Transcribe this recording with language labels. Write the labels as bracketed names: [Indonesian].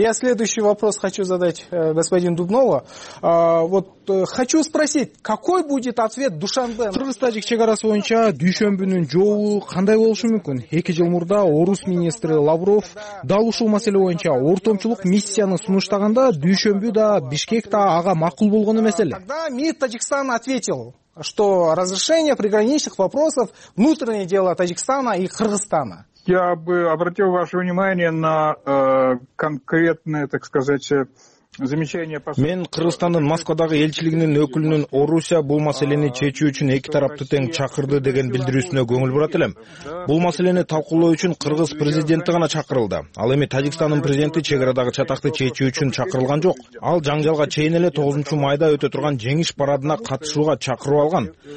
[Russian] Я следующий вопрос хочу задать господину Дубнову. Вот хочу спросить, какой будет ответ Душанбе? [Kyrgyz] Кыргыз тажик чек арасы боюнча дүйшөмбүнүн жолу кандай болушу мүмкүн? 2 жыл мурда орус министри Лавров дал ушул маселе боюнча ортомчулук миссияны сунуштаганда дүйшөмбү да Бишкек да ага макул болгону маселе. [Russian] Тогда МИД Таджикистан ответил, что разрешение приграничных вопросов — внутреннее дело Таджикистана и Кыргызстана. Я бы обратил ваше внимание на конкретное, так сказать, замечание по сути. [Kyrgyz] Мен Кыргызстандын Москвадагы элчилигинин өкүлүнүн Орусия бул маселени чечүү үчүн эки тарапты тең чакырды деген билдирүүсүнө көңүл бурат элем. Бул маселени талкуулоо үчүн кыргыз президенти гана чакырылды. Ал эми Таджикстандын президенти чек арадагы чатакты чечүү үчүн чакырылган жок. Ал жаңжалга чейин эле 9 майда өтө турган жеңиш парадына катышууга чакырып алган.